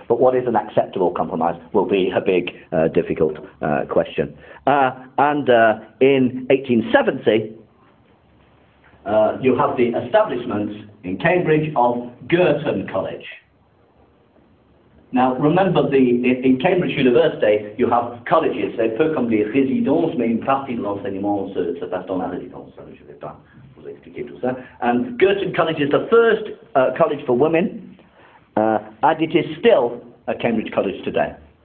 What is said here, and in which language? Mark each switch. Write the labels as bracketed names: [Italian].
[English] But what is an acceptable compromise will be a big, difficult question. And in 1870, you have the establishment in Cambridge of Girton College. Now, remember, in Cambridge University, you have colleges. [French] C'est un peu comme les résidences, mais une partie de l'enseignement se passe dans la résidence. Je ne vais pas vous expliquer tout ça. [English] And Girton College is the first college for women, and it is still a Cambridge college today.